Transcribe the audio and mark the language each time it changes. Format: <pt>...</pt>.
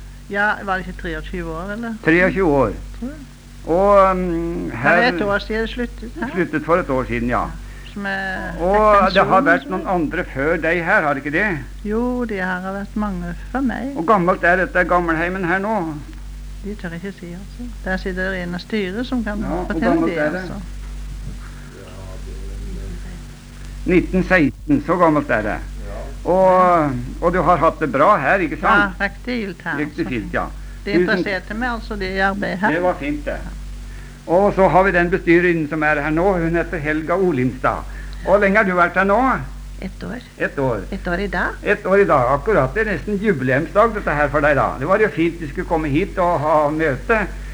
<no>Ja, var det ikke 23 år, eller? 23 år. Og her... Det er et år siden det sluttet her. Sluttet for et år siden, ja. Som er... Og det har vært noen andre før deg her, har det ikke det? Jo, det har vært mange for meg. Og gammelt er dette gammelheimen her nå? De tør ikke si, altså. Der sitter det en av styret som kan fortelle det, altså. Ja, hvor gammelt er det? 1916, så gammelt er det. Og du har hatt det bra her, ikke sant? Ja, riktig fint her. Riktig fint, ja. Det interesserte meg altså, det arbeidet her. Det var fint det.</no> <sv>Och så har vi den bestyrelsen som är här nu. Hon heter Helga Olimstad. Och länge har du varit här nu? Ett år idag. Akkurat, det är nästan jubileumsdag detta här för dig idag. Det var ju fint att du skulle komma hit och ha möte.</sv>